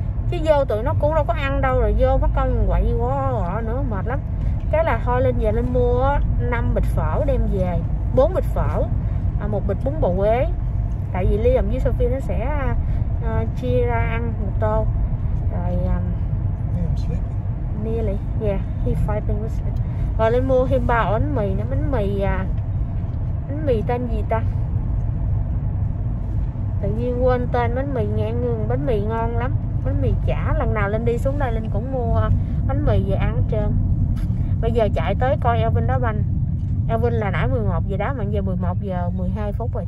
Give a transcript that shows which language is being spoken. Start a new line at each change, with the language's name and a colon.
Vietnamese: Chứ vô tụi nó cũng đâu có ăn đâu, rồi vô mất công quậy quá nữa mệt lắm. Cái là thôi lên về lên mua 5 bịch phở đem về, 4 bịch phở, 1 bịch bún bò Huế. Tại vì Liam với Sophie nó sẽ chia ra ăn một tô. Rồi
English: nearly, yeah, he fighting with sleep.
Vietnamese: Rồi lên mua thêm 3 bánh mì nữa, bánh mì tên gì ta? Tự nhiên quên tên bánh mì ngang ngường, bánh mì ngon lắm. Bánh mì chả, lần nào Linh đi xuống đây Linh cũng mua bánh mì về ăn hết trơn. Bây giờ chạy tới coi Elvin đá banh. Elvin là nãy 11 giờ đó, mà giờ 11 giờ 12 phút rồi.